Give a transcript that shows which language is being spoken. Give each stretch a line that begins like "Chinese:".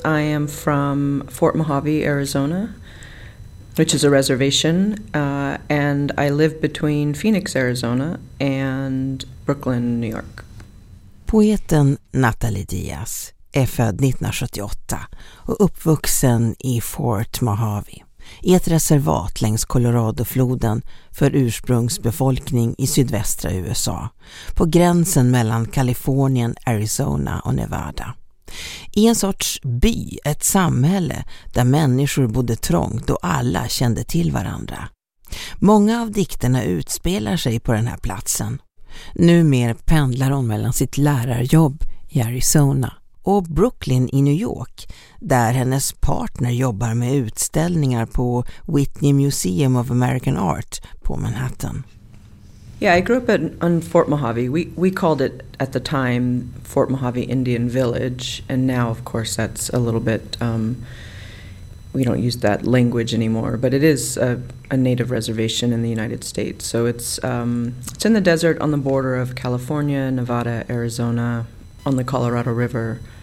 English: I am from Fort Mojave, Arizona, which is a reservation, and I live between Phoenix, Arizona and Brooklyn, New York.
Swedish: Poeten Natalie Diaz är född 1978 och uppvuxen i Fort Mojave, i ett reservat längs Coloradofloden för ursprungsbefolkning i sydvästra USA, på gränsen mellan Kalifornien, Arizona och Nevada. I en sorts by, ett samhälle där människor bodde trångt och alla kände till varandra. Många av dikterna utspelar sig på den här platsen. Numera pendlar hon mellan sitt lärarjobb i Arizona och Brooklyn i New York, där hennes partner jobbar med utställningar på Whitney Museum of American Art på Manhattan.
English: Yeah, I grew up on Fort Mojave. We called it at the time Fort Mojave Indian Village, and now of course that's a little bit we don't use that language anymore, but it is a native reservation in the United States. So it's in the desert on the border of California, Nevada, Arizona, on the Colorado River.